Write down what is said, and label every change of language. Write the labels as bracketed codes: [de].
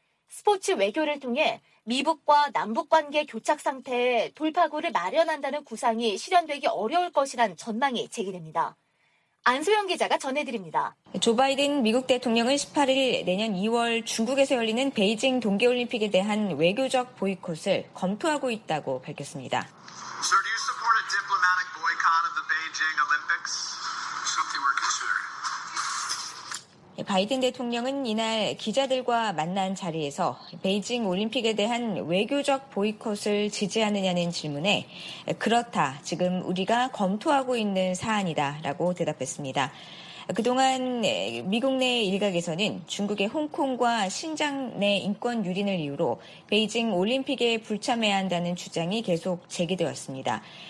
[ko] 스포츠 외교를 통해 미북과 남북관계 교착 상태에 돌파구를 마련한다는 구상이 실현되기 어려울 것이란 전망이 제기됩니다. 안소영 기자가 전해드립니다. 조 바이든 미국 대통령은 18일 내년 2월 중국에서 열리는 베이징 동계올림픽에 대한 외교적 보이콧을 검토하고 있다고 밝혔습니다. [en] So do you support a diplomatic boycott of the Beijing Olympics? Something we're considering. [ko] 바이든 대통령은 이날 기자들과 만난 자리에서 베이징 올림픽에 대한 외교적 보이콧을 지지하느냐는 질문에 그렇다, 지금 우리가 검토하고 있는 사안이다 라고 대답했습니다. 그동안 미국 내 일각에서는 중국의 홍콩과 신장 내 인권 유린을 이유로 베이징 올림픽에 불참해야 한다는 주장이 계속 제기되었습니다.